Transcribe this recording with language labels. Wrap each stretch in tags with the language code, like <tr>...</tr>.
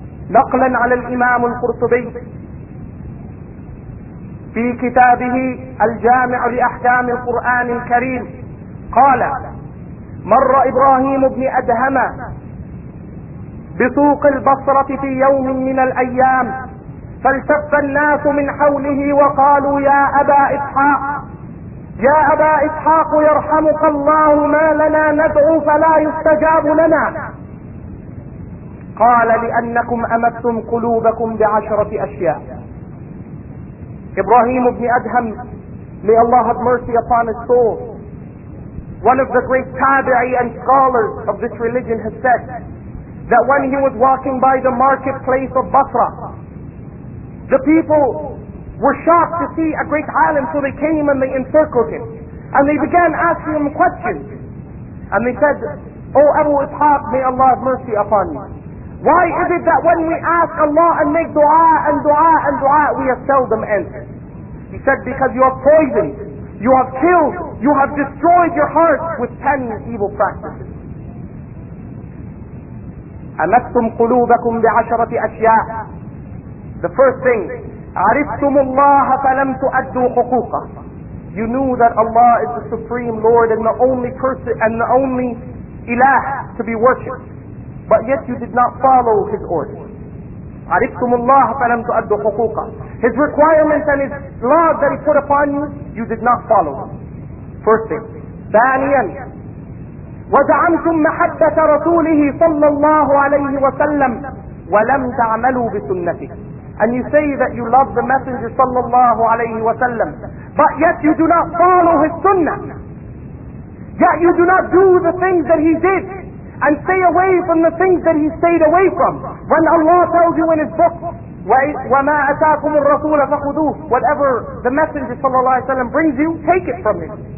<ar>نقلا على الامام القرطبي في كتابه الجامع لاحكام القرآن الكريم قال: مر ابراهيم بن ادهم بسوق البصرة في يوم من الايام فالتف الناس من حوله وقالوا: يا ابا اسحاق يا ابا اسحاق يرحمك الله، ما لنا ندعو فلا يستجاب لنا. قال: لانكم امدتم قلوبكم بعشرة اشياء.</ar> <en>ابراهيم بن ادهم, may Allah have mercy upon his soul, one of the great tabi'i and scholars of this religion, has said that when he was walking by the marketplace of Basra, the people were shocked to see a great alim, so they came and they encircled him and they began asking him questions, and they said, oh Abu Ishaq, may Allah have mercy upon you, why is it that when we ask Allah and make dua and dua and dua, we have seldom answered? He said, because you have poisoned, you have killed, you have destroyed your heart with 10 evil practices.</en> <ar>أمدتم قلوبكم بعشرة أشياء.</ar> <en>The first thing,</en> <ar>عرفتم الله فلم تؤدوا حقوقه.</ar> <en>You knew that Allah is the supreme Lord and the only person and the only إله to be worshipped, but yet you did not follow His orders.</en> <ar>عرفتم الله فلم تؤدوا حقوقه.</ar> <en>His requirements and His laws that He put upon you, you did not follow them. First thing.</en> <ar>ثانيا, وزعمتم محبة رسوله صلى الله عليه وسلم ولم تعملوا بسنته.</ar> <en>And you say that you love the messenger صلى الله عليه وسلم, but yet you do not follow his sunnah. Yet you do not do the things that he did and stay away from the things that he stayed away from. When Allah tells you in his book,</en> <ar>وَمَا أَتَاكُمُ الرَّسُولَ فَخُذُوهُ,</ar> <en>whatever the messenger صلى الله عليه وسلم brings you, take it from him.</en>